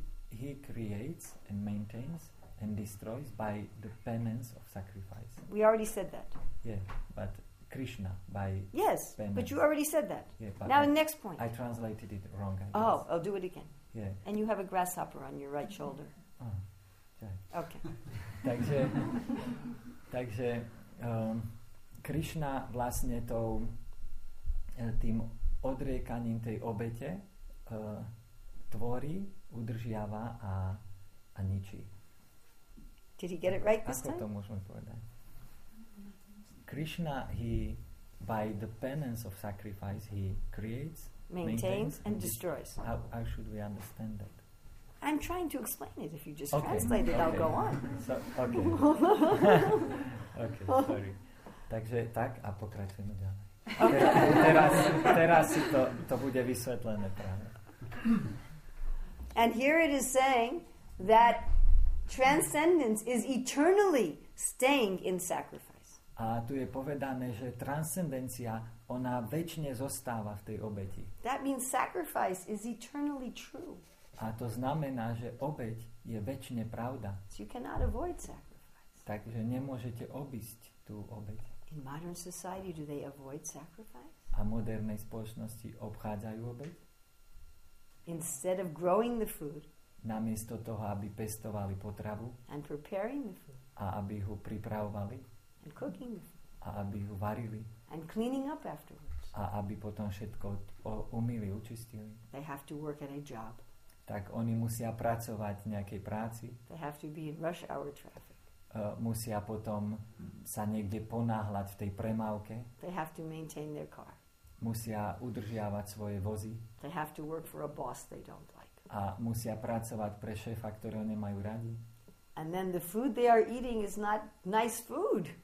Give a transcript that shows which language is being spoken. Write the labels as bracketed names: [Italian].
[English] He creates and maintains and destroys by the penance of sacrifice. We already said that. Yeah, but Krishna by yes, penance. But you already said that. Yeah, now the next point. I translated it wrong. Oh, I'll do it again. Yeah. And you have a grasshopper on your right shoulder. Oh, yeah. Okay. [Slovak] Takže Krishna vlastne tým odriekaním tej obete tvorí, udržiava a ničí. [English] Did he get it right this time? [Slovak] Ako to môžeme povedať? [English] Krishna, he, by the penance of sacrifice, he creates, maintains and destroys. How should we understand that? I'm trying to explain it. If you just translate it, I'll go on. Okay. Okay, sorry. [Slovak] Takže tak a pokračujeme ďalej. [English] Okay. [Slovak] teraz si to bude vysvetlené práve. [English] And here it is saying that transcendence is eternally staying in sacrifice. [Slovak] A tu je povedané, že transcendencia, ona večne zostáva v tej obeti. [English] That means sacrifice is eternally true. [Slovak] A to znamená, že obeť je večne pravda. [English] So you cannot avoid sacrifice. [Slovak] Takže nemôžete obísť tú obeť. [English] In modern society, do they avoid sacrifice? [Slovak] A modernej spoločnosti obchádzajú obeť? [English] Instead of growing the food. [Slovak] Namiesto toho, aby pestovali potravu. [English] And preparing the food. [Slovak] A aby ho pripravovali. [English] And cooking. [Slovak] A aby ho varili. [English] And cleaning up afterwards. [Slovak] A aby potom všetko umýli, učistili. [English] They have to work at a job. [Slovak] Tak oni musia pracovať v nejakej práci. [English] They have to be in rush hour traffic. [Slovak] Musia potom sa niekde ponáhľať v tej premávke. [English] They have to maintain their car. [Slovak] Musia udržiavať svoje vozy. [English] They have to work for a boss they don't like. [Slovak] A musia pracovať pre šéfa, ktorého nemajú radi. [English] And then the food they are eating is not nice food.